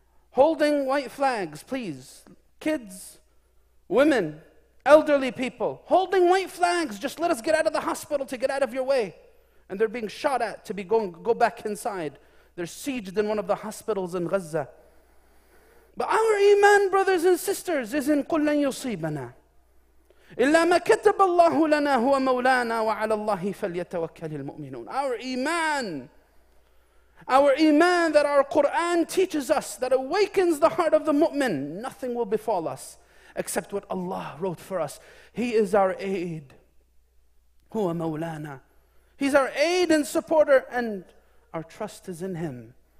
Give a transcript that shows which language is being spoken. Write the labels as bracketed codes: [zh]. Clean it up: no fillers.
[en] Holding white flags, please. Kids, women, elderly people, holding white flags, just let us get out of the hospital to get out of your way. And they're being shot at to be going, go back inside. They're sieged in one of the hospitals in Gaza. But our iman, brothers and sisters, is in [ar] قُلْ لَنْ يُصِيبَنَا إِلَّا مَا كَتَبَ اللَّهُ لَنَا هُوَ مَوْلَانَا وَعَلَى اللَّهِ فَلْيَتَوَكَّلِ الْمُؤْمِنُونَ. [en] Our iman that our Quran teaches us, that awakens the heart of the mu'min, nothing will befall us except what Allah wrote for us. He is our aid. [ar] هُوَ مَوْلَانَا. [en] He's our aid and supporter, and our trust is in Him.